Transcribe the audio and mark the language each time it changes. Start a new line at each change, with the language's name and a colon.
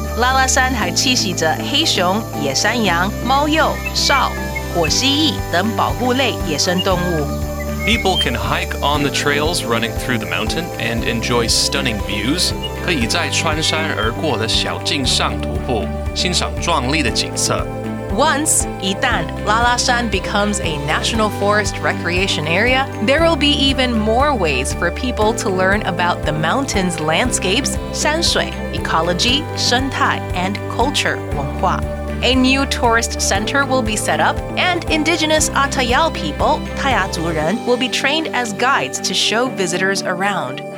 Chinese: 拉拉山还栖息着黑熊、野山羊、猫鼬、獸、火蜥蜴等保护类野生动物。
English: People can hike on the trails running through the mountain and enjoy stunning views.
Chinese: 可以在穿山而过的小径上徒步，欣赏壮丽的景色。
English: Once, 一旦 La La Shan becomes a National Forest Recreation Area, there will be even more ways for people to learn about the mountain's landscapes, 山水, ecology, 生态, and culture, 文化。 A new tourist center will be set up, and indigenous Atayal people, Tayazuren, will be trained as guides to show visitors around.